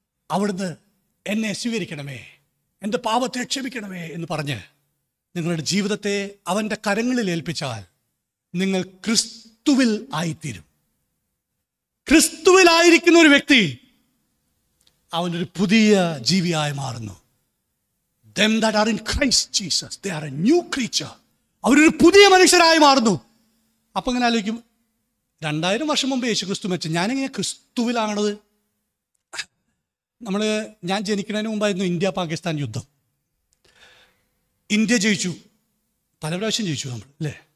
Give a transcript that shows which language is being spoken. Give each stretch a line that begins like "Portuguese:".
Malayalam: അവിടുന്ന് എന്നെ സ്വീകരിക്കണമേ, എൻ്റെ പാപത്തെ ക്ഷമിക്കണമേ എന്ന് പറഞ്ഞ് നിങ്ങളുടെ ജീവിതത്തെ അവൻ്റെ കരങ്ങളിൽ ഏൽപ്പിച്ചാൽ നിങ്ങൾ ക്രിസ്തുവിൽ ആയിത്തീരും. ക്രിസ്തുവിലായിരിക്കുന്ന ഒരു വ്യക്തി അവനൊരു പുതിയ ജീവിയായി മാറുന്നു.
English: Them that are in Christ Jesus, they are a new creature.
Malayalam: അവരൊരു പുതിയ മനുഷ്യരായി മാറുന്നു. അപ്പം ഇങ്ങനെ ആലോചിക്കും, 2000 വർഷം മുമ്പ് യേശു ക്രിസ്തു വെച്ച് ഞാനെങ്ങനെ ക്രിസ്തുവിലാണത്? നമ്മൾ ഞാൻ ജനിക്കുന്നതിന് മുമ്പായിരുന്നു ഇന്ത്യ പാകിസ്ഥാൻ യുദ്ധം. ഇന്ത്യ ജയിച്ചു, പല പ്രാവശ്യം ജയിച്ചു നമ്മൾ അല്ലേ.